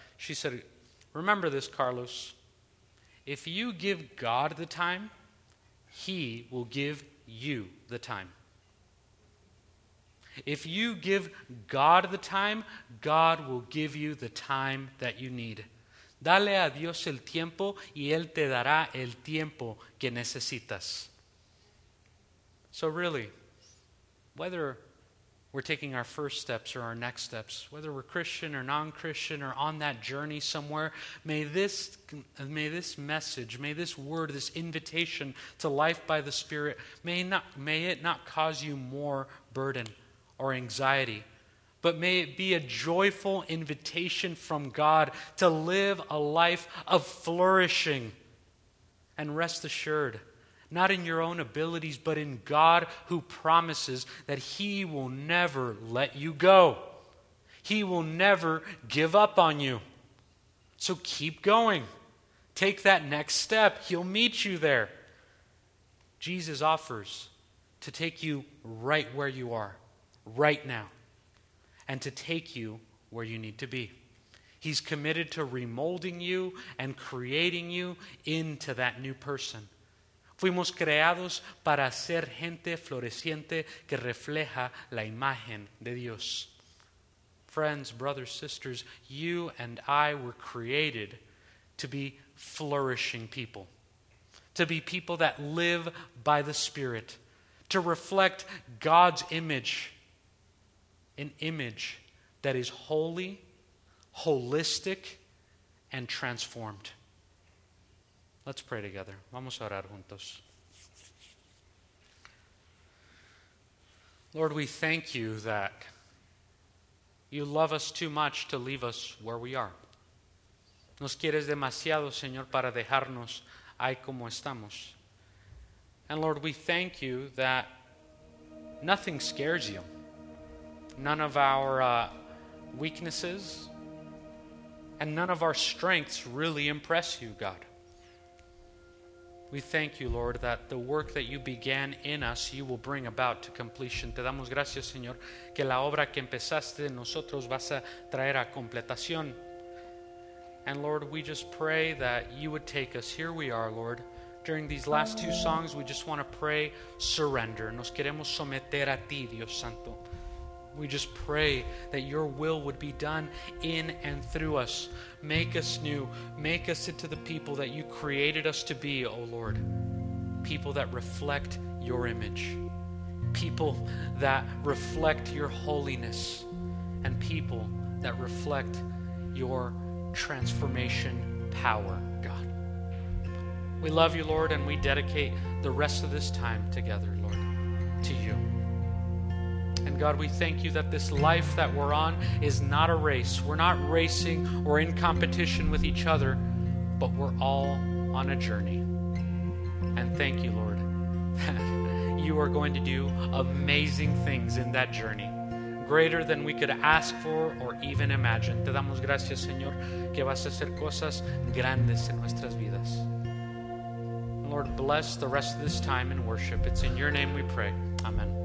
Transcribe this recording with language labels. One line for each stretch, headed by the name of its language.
English: She said, remember this, Carlos. If you give God the time, He will give you the time. If you give God the time, God will give you the time that you need.
Spanish: Dale a Dios el tiempo y Él te dará el tiempo que necesitas.
English: So really, whether we're taking our first steps or our next steps, whether we're Christian or non-Christian or on that journey somewhere, may this message, this invitation to life by the Spirit, may it not cause you more burden or anxiety, but may it be a joyful invitation from God to live a life of flourishing. And rest assured, not in your own abilities, but in God who promises that He will never let you go. He will never give up on you. So keep going. Take that next step. He'll meet you there. Jesus offers to take you right where you are, right now, and to take you where you need to be. He's committed to remolding you and creating you into that new person.
Spanish: Fuimos creados para ser gente floreciente que refleja la imagen de Dios.
English: Friends, brothers, sisters, you and I were created to be flourishing people, to be people that live by the Spirit, to reflect God's image, an image that is holy, holistic, and transformed. Let's pray together.
Spanish: Vamos a orar juntos.
English: Lord, we thank you that you love us too much to leave us where we are.
Spanish: Nos quieres demasiado, Señor, para dejarnos ahí como estamos.
English: And Lord, we thank you that nothing scares you. None of our weaknesses and none of our strengths really impress you, God. We thank you, Lord, that the work that you began in us, you will bring about to completion.
Spanish: Te damos gracias, Señor, que la obra que empezaste en nosotros vas a traer a completación.
English: And Lord, we just pray that you would take us. Here we are, Lord. During these last two songs, we just want to pray surrender.
Spanish: Nos queremos someter a ti, Dios Santo.
English: We just pray that your will would be done in and through us. Make us new. Make us into the people that you created us to be, O Lord. People that reflect your image. People that reflect your holiness. And people that reflect your transformation power, God. We love you, Lord, and we dedicate the rest of this time together, Lord, to you. And God, we thank you that this life that we're on is not a race. We're not racing or in competition with each other, but we're all on a journey. And thank you, Lord, that you are going to do amazing things in that journey, greater than we could ask for or even imagine.
Spanish: Te damos gracias, Señor, que vas a hacer cosas grandes en nuestras vidas.
English: Lord, bless the rest of this time in worship. It's in your name we pray. Amen.